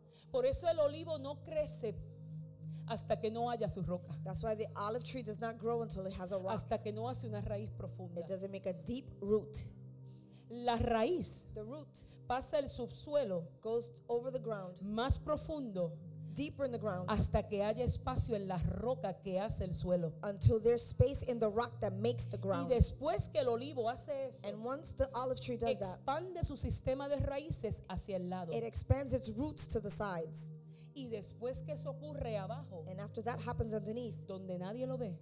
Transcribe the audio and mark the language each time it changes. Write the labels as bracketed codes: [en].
[es] Por eso el olivo no crece hasta que no haya su roca. [en] That's why the olive tree does not grow until it has a rock. [es] Hasta que no hace una raíz profunda. [en] It doesn't make a deep root. [es] La raíz [en] the root [es] pasa el subsuelo [en] goes over the ground [es] más profundo [en] deeper in the ground [es] hasta que haya espacio en la roca que hace el suelo [en] until there's space in the rock that makes the ground. [es] Y después que el olivo hace eso [en] and once the olive tree does [es] expande [en] that, [es] su sistema de raíces hacia el lado [en] it expands its roots to the sides. [es] Y después que eso ocurre abajo [en] and after that happens underneath [es] donde nadie lo ve